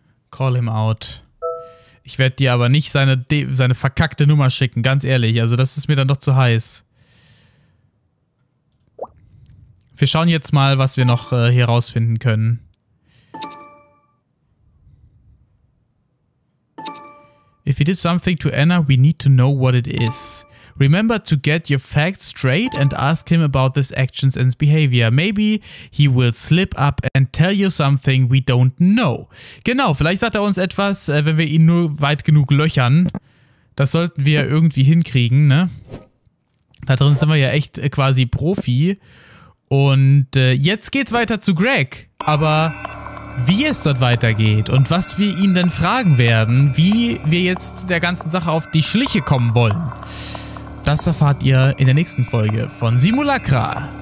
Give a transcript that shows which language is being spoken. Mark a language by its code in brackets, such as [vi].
[en] Call him out. [de] Ich werde dir aber nicht seine verkackte Nummer schicken, ganz ehrlich. Also das ist mir dann doch zu heiß. Wir schauen jetzt mal, was wir noch hier rausfinden können. [en] If you did something to Anna, we need to know what it is. Remember to get your facts straight and ask him about his actions and behavior. Maybe he will slip up and tell you something we don't know. [de] Genau, vielleicht sagt er uns etwas, wenn wir ihn nur weit genug löchern. Das sollten wir irgendwie hinkriegen, ne? Da drin sind wir ja echt quasi Profi. Und jetzt geht's weiter zu Greg. Aber wie es dort weitergeht und was wir ihn denn fragen werden, wie wir jetzt der ganzen Sache auf die Schliche kommen wollen, das erfahrt ihr in der nächsten Folge von Simulacra.